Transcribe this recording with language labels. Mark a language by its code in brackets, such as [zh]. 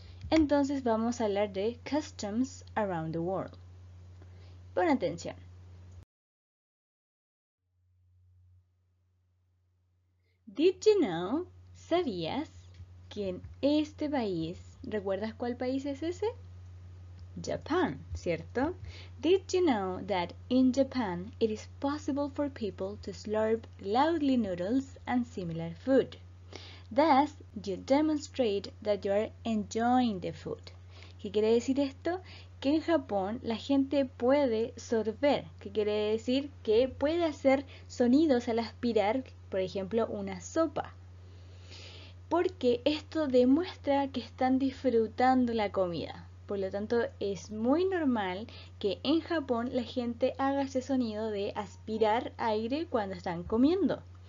[es] Entonces vamos a hablar de Customs Around the World. Pon atención. [en] Did you know? [es] ¿Sabías que en este país, recuerdas cuál país es ese? Japan, ¿cierto? [en] Did you know that in Japan it is possible for people to slurp loudly noodles and similar food? Thus, you demonstrate that you are enjoying the food. [es] ¿Qué quiere decir esto? Que en Japón la gente puede sorber, que quiere decir que puede hacer sonidos al aspirar, por ejemplo, una sopa. Porque esto demuestra que están disfrutando la comida. Por lo tanto, es muy normal que en Japón la gente haga ese sonido de aspirar aire cuando están comiendo.